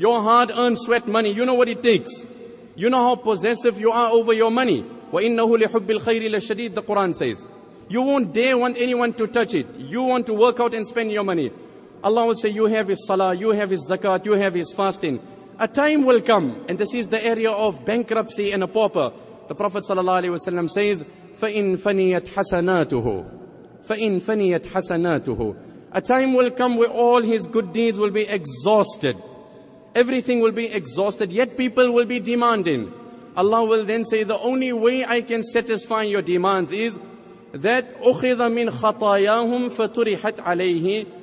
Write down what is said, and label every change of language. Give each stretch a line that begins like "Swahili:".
English: Your hard-earned sweat money, you know what it takes. You know how possessive you are over your money.
Arabic: وَإِنَّهُ لِحُبِّ الْخَيْرِ لَشَدِيدِ.
English: The Quran says, you won't dare want anyone to touch it. You want to work out and spend your money. Allah will say, you have his salah, you have his zakat, you have his fasting. A time will come, and this is the area of bankruptcy and a pauper.
Arabic: The Prophet ﷺ says, فَإِنْ فَنِيَتْ حَسَنَاتُهُ فَإِنْ فَنِيَتْ حَسَنَاتُهُ.
English: A time will come where all his good deeds will be exhausted. Everything will be exhausted, yet people will be demanding. Allah will then say, the only way I can satisfy your demands is that أُخِذَ مِنْ خَطَايَاهُمْ فَتُرِحَتْ عَلَيْهِ.